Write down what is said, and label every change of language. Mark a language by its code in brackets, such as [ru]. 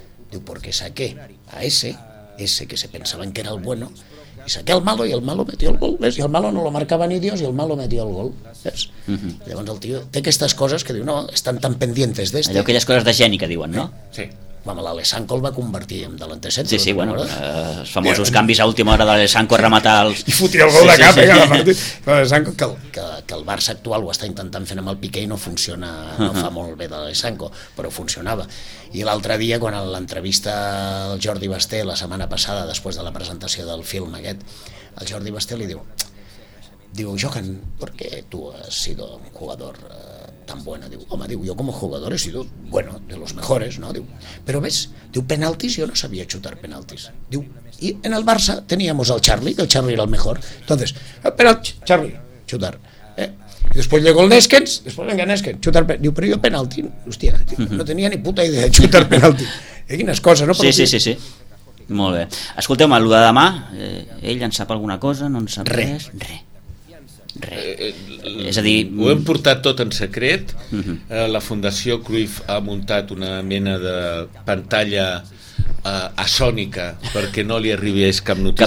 [es] Diu, porque saqué a ese que se pensaban que era el bueno, i saqué el malo, i el malo metió el gol, ¿ves? I el malo no lo marcava ni Dios, i el malo metió el gol, ¿ves? [ca] Llavors el tio té aquestes coses que diu, no, estan tan [es] pendientes d'este. [ca] Allò, aquelles coses de geni que diuen, no? Sí. Home, l'Alessanco el va convertir en delantercentro. Sí, sí, bueno, els famosos canvis a última hora d'Alessanco a rematar els... I fotir el gol de cap, eh? L'Alessanco, que el Barça actual ho està intentant fent amb el Piqué i no funciona, no fa molt bé d'Alessanco, però funcionava. I l'altre dia, quan l'entrevista al Jordi Basté, la setmana passada, després de la presentació del film aquest, el Jordi Basté li diu, [es] Digo, Johan, ¿por qué tú has sido un jugador tan bueno? Digo, hombre, digo, yo como jugador he sido, bueno, de los mejores, ¿no? Digo, pero ves, digo, penaltis, yo no sabía chutar penaltis. Digo, y en el Barça teníamos al Charlie, que el Charlie era el mejor. Entonces, penalti, Charlie, chutar. Y después llegó el Neskens, después venga Neskens, chutar penalti. Digo, pero yo penalti, hostia, tío, no tenía ni puta idea de chutar penalti. [ca] Y quines coses, ¿no? Sí, sí, sí, sí. Molt bé. Escolteu-me, el de demà, ell en sap alguna cosa, no en sap res? Res. És a dir, ho hem portat tot en secret. La Fundació Cruyff ha muntat una mena de pantalla asònica perquè no li arribés cap notícia,